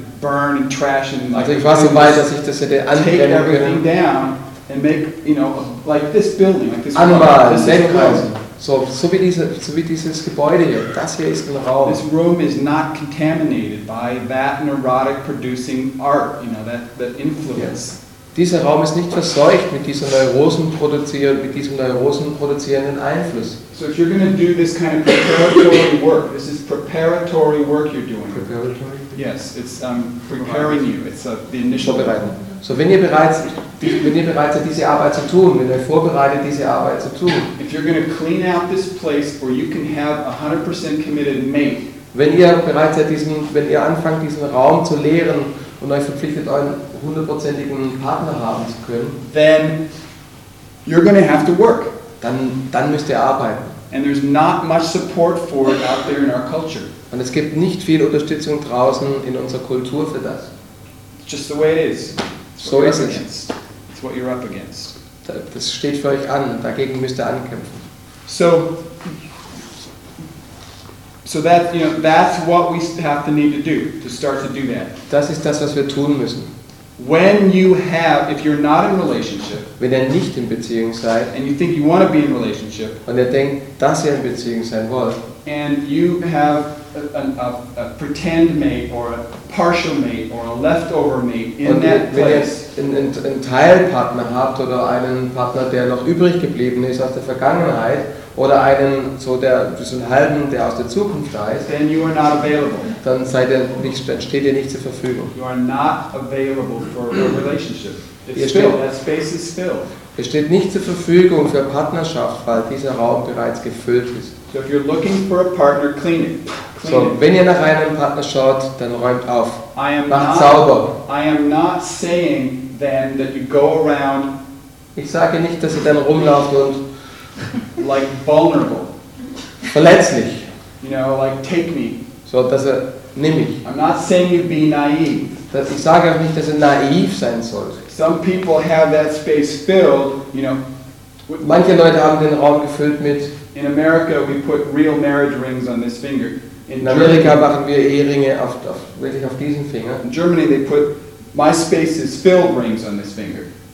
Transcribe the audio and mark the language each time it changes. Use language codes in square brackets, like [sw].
[de] Also ich war so weit, dass ich das hätte anbrennen können. So wie dieses Gebäude hier, das hier ist ein Raum. [en] This room is not contaminated by that neurotic producing art, you know, that influence. Yes. [de] dieser Raum ist nicht verseucht mit diesem neurosenproduzierenden Einfluss. [en] So if you're going to do this kind of preparatory work, this is preparatory work you're doing. Preparatory? Yes, it's preparing you. It's the initial [de] vorbereiten. So wenn ihr bereit seid, diese Arbeit zu tun, wenn ihr vorbereitet diese Arbeit zu tun. [en] If you're going to clean out this place where you can have 100% committed mate. [de] Wenn ihr bereit seid, wenn ihr anfangt diesen Raum zu leeren und euch verpflichtet einen hundertprozentigen Partner haben zu können, [en] then you're going to have to work. [de] Dann müsst ihr arbeiten. [en] And there's not much support for it out there in our culture. [de] Und es gibt nicht viel Unterstützung draußen in unserer Kultur für das. [en] It's just the way it is. [de] So ist es. [en] It's what you're up against. [de] Das steht für euch an. Dagegen müsst ihr ankämpfen. [en] So that, you know, that's what we have to need to do to start to do that. [de] Das ist das, was wir tun müssen. [en] When you have, if you're not in relationship, [de] wenn ihr nicht in Beziehung seid, [en] and you think you want to be in relationship, [de] und ihr denkt, dass ihr in Beziehung sein wollt, [en] and you have a pretend mate or a partial mate or a leftover mate in that place, [de] wenn ihr einen Teilpartner habt oder einen Partner, der noch übrig geblieben ist aus der Vergangenheit. Oder einen, so der so einen halben, der aus der Zukunft da ist, [en] then you are not available. [de] Dann seid ihr nicht, dann steht ihr nicht zur Verfügung. [en] You are not available for a relationship. That space is filled. [de] Ihr steht nicht zur Verfügung für Partnerschaft, weil dieser Raum bereits gefüllt ist. [en] So if you're looking for a partner, clean it. [de] So, wenn ihr nach einem Partner schaut, dann räumt auf. Macht sauber. [en] I am not saying then that you go around. [de] Ich sage nicht, dass ihr dann rumlauft und [en] like vulnerable, [de] verletzlich. [en] You know, like take me. [de] So dass er nimm mich. [en] I'm not saying you be naive. [de] Dass ich sage auch nicht, dass er naiv sein sollte. [en] Some people have that space filled. You know, [de] manche Leute haben den Raum gefüllt mit. [en] In America, we put real marriage rings on this finger. [de] In Amerika machen wir Ehringe auf diesen Finger. [en] In Germany, they put my space is filled rings on this finger.